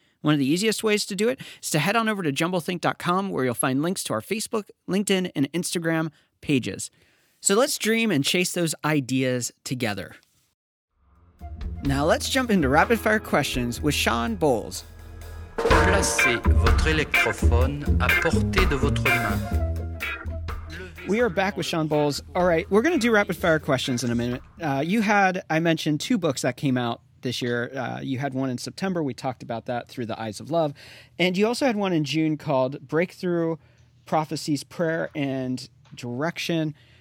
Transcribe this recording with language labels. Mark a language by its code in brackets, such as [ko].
[en] One of the easiest ways to do it is to head on over to jumblethink.com, where you'll find links to our Facebook, LinkedIn, and Instagram pages. So let's dream and chase those ideas together. Now let's jump into rapid fire questions with Sean Bowles. [fr] Placez votre électrophone à portée de votre main. [en] We are back with Sean Bowles. All right, we're going to do rapid fire questions in a minute. I mentioned two books that came out this year. You had one in September. We talked about that, Through the Eyes of Love. And you also had one in June called Breakthrough Prophecies, Prayer and Direction.